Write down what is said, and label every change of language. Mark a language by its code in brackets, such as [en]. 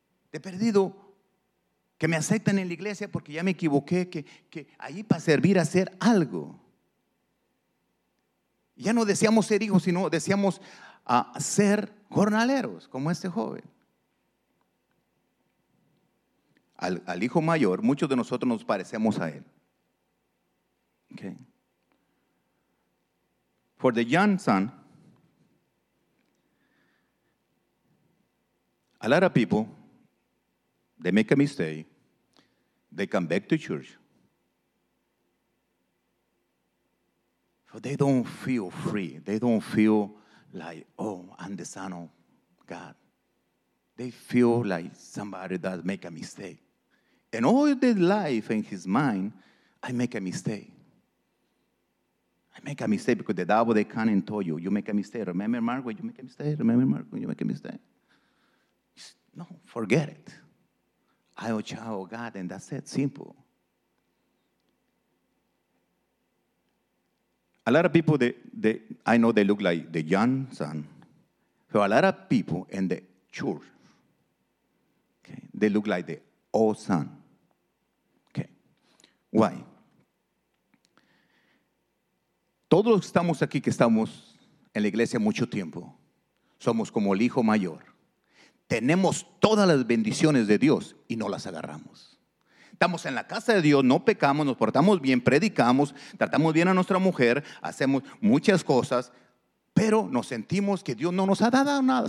[es] Te he perdido que me acepten en la iglesia porque ya me equivoqué, que ahí para servir a hacer algo. Ya no deseamos ser hijos, sino deseamos ser jornaleros, como este joven. Al hijo mayor, muchos de nosotros nos parecemos a él. [en] Okay. For the young son, a lot of people, they make a mistake, they come back to church, but they don't feel free, they don't feel like, oh, I'm the son of God. They feel like somebody that make a mistake. And all their life in his mind, I make a mistake. I make a mistake because the devil, they come and told you, you make a mistake. Remember, Mark, when you make a mistake? Remember, Mark, when you make a mistake? He said, no, forget it. I am a child of God, and that's it, simple. A lot of people, I know they look like the young son. So a lot of people in the church, okay, they look like the old son. Okay. Why? [es] Todos los que estamos aquí, que estamos en la iglesia mucho tiempo, somos como el hijo mayor. Tenemos todas las bendiciones de Dios y no las agarramos. Estamos en la casa de Dios, no pecamos, nos portamos bien, predicamos, tratamos bien a nuestra mujer, hacemos muchas cosas, pero nos sentimos que Dios no nos ha dado nada.